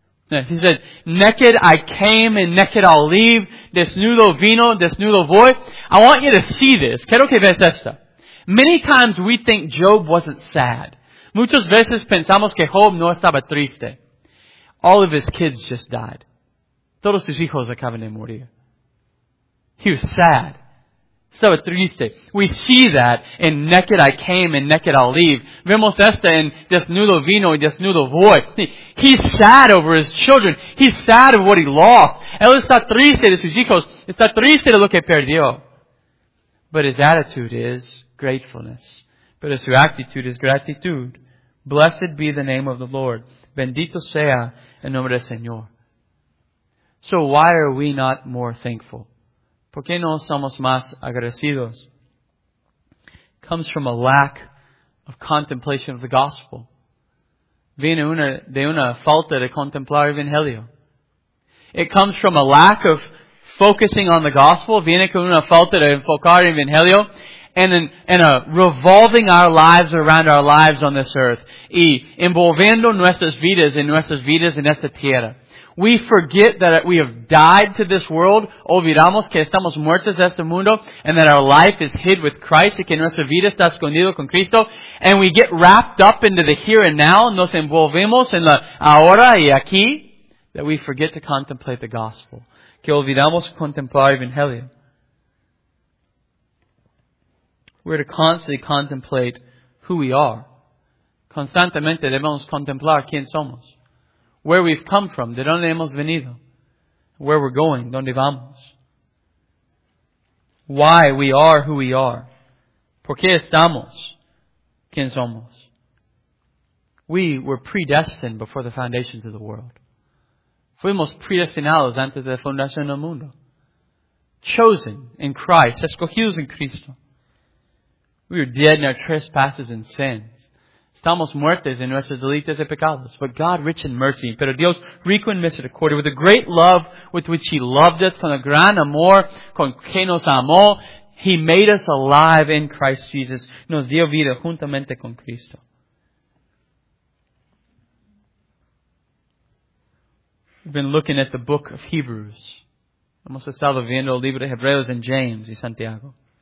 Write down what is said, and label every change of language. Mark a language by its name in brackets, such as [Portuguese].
[English] Yes, he said, naked I came and naked I'll leave. [Spanish] Desnudo vino, desnudo voy. [English] I want you to see this. [Spanish] Quiero que veas esto. [English] Many times we think Job wasn't sad. [Spanish] Muchas veces pensamos que Job no estaba triste. [English] All of his kids just died. [Spanish] Todos sus hijos acaban de morir. [English] He was sad. [Spanish] Estaba triste. [English] We see that in naked I came and naked I'll leave. [Spanish] Vemos esta en desnudo vino y desnudo voy. [English] He's sad over his children. He's sad of what he lost. [Spanish] Él está triste de sus hijos. Está triste de lo que perdió. [English] But his attitude is gratefulness. [Spanish] Pero su actitud es gratitud. [English] Blessed be the name of the Lord. [Spanish] Bendito sea el nombre del Señor. [English] So why are we not more thankful? [Spanish] ¿Por qué no somos más agradecidos? [English] Comes from a lack of contemplation of the gospel. [Spanish] Viene de una falta de contemplar el evangelio. [English] It comes from a lack of focusing on the gospel. [Spanish] Viene con una falta de enfocar el evangelio. [English] And revolving our lives around our lives on this earth. [Spanish] Y envolviendo nuestras vidas en esta tierra. [English] We forget that we have died to this world. [Spanish] Olvidamos que estamos muertos a este mundo. [English] And that our life is hid with Christ. [Spanish] Y que nuestra vida está escondida con Cristo. [English] And we get wrapped up into the here and now. [Spanish] Nos envolvemos en la ahora y aquí. [English] That we forget to contemplate the gospel. [Spanish] Que olvidamos contemplar el evangelio. [English] We're to constantly contemplate who we are. [Spanish] Constantemente debemos contemplar quién somos. [English] Where we've come from, [Spanish] de dónde hemos venido. [English] Where we're going, [Spanish] dónde vamos. [English] Why we are who we are. [Spanish] Por qué estamos quién somos. [English] We were predestined before the foundations of the world. [Spanish] Fuimos predestinados antes de la fundación del mundo. [English] Chosen in Christ, [Spanish] escogidos en Cristo. [English] We were dead in our trespasses and sins. [Spanish] Estamos muertos en nuestros delitos y pecados. [English] But God, rich in mercy, [Spanish] pero Dios rico en misericordia, [English] with the great love with which He loved us, [Spanish] con el gran amor con que nos amó, [English] He made us alive in Christ Jesus. [Spanish] Nos dio vida juntamente con Cristo. [English] We've been looking at the book of Hebrews. [Spanish] Hemos estado viendo el libro de Hebreos en James y Santiago.